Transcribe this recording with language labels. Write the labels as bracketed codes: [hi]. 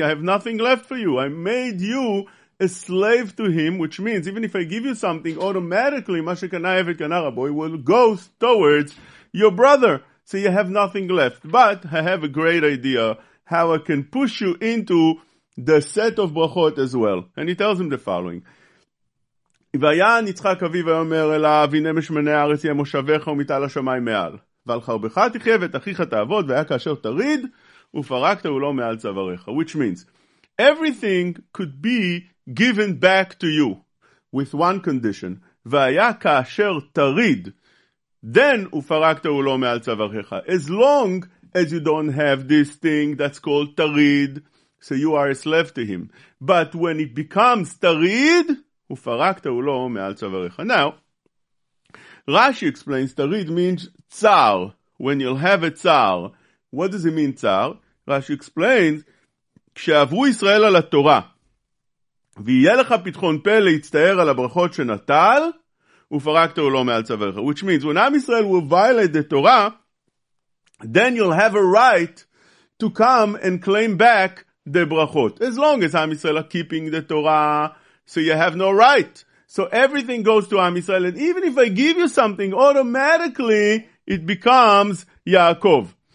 [en] I have nothing left for you. I made you a slave to him, which means even if I give you something, automatically [he] Ma Shekana Evet Kana Raboy [en] will go towards your brother. So you have nothing left. But I have a great idea how I can push you into the set of brachot as well. And he tells him the following. [he] ויען יצחק אביו ויאמר אליו, הנה משמני הארץ יהיה מושבך ומיטל השמיים מעל. ועל חרבך תחיה ואת אחיך תעבוד, והיה כאשר תריד, ופרקת ולא מעל צוואריך. [en] Which means, everything could be given back to you, with one condition. [he] והיה כאשר תריד, [en] then [he] ופרקת ולא מעל צוואריך. [en] As long as you don't have this thing that's called תריד, so you are a slave to him. But when it becomes תריד, [he] ופרקת הוא לא מעל צוואריך. [en] Now, Rashi explains, תריד means צער. When you'll have a צער. What does it mean צער? [he] Rashi explains, כשעברו ישראל על התורה, ויהיה לך פתחון פה להצטער על הברכות שנטל, ופרקת הוא לא מעל צוואריך. [en] Which means, when Israel will violate the Torah, then you'll have a right to come and claim back the ברכות. As long as Israel are keeping the Torah, so you have no right. So everything goes to Am Yisrael. And even if I give you something, automatically it becomes Yaakov.